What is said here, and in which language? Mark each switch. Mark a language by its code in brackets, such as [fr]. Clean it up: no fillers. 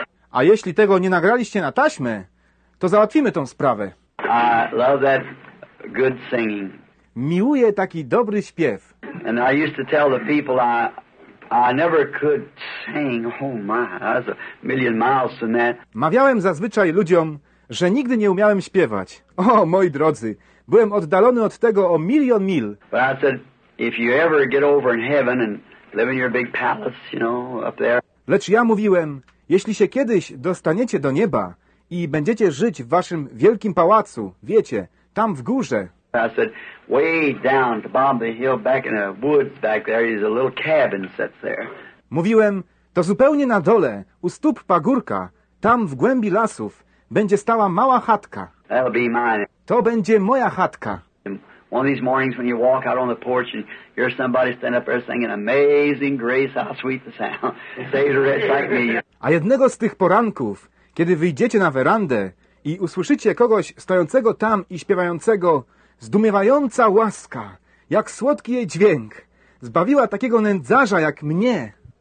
[pl] A jeśli tego nie nagraliście na taśmę, to załatwimy tą sprawę. [en] I love that good singing. [pl] Miłuję taki dobry śpiew. [en] And I used to tell the people I never could sing. Oh my, I was a million miles from that. [pl] Mawiałem zazwyczaj ludziom, że nigdy nie umiałem śpiewać. O, moi drodzy, byłem oddalony od tego o milion mil. [en] But I said, if you ever get over in heaven and live in your big palace, you know, up there. [pl] Lecz ja mówiłem, jeśli się kiedyś dostaniecie do nieba i będziecie żyć w waszym wielkim pałacu, wiecie, tam w górze. [en] I said, way down to bottom of the hill, back in the woods back there, is a little cabin sits there. [pl] Mówiłem, to zupełnie na dole, u stóp pagórka, tam w głębi lasów, będzie stała mała chatka. [en] That'll be mine. [pl] To będzie moja chatka. [en] And one of these mornings when you walk out on the porch and you're somebody stand up there singing Amazing Grace, how sweet the sound. Saved a wretch like me. [pl] A jednego z tych poranków, kiedy wyjdziecie na werandę i usłyszycie kogoś stojącego tam i śpiewającego: zdumiewająca łaska, jak słodki jej dźwięk, zbawiła takiego nędzarza jak mnie.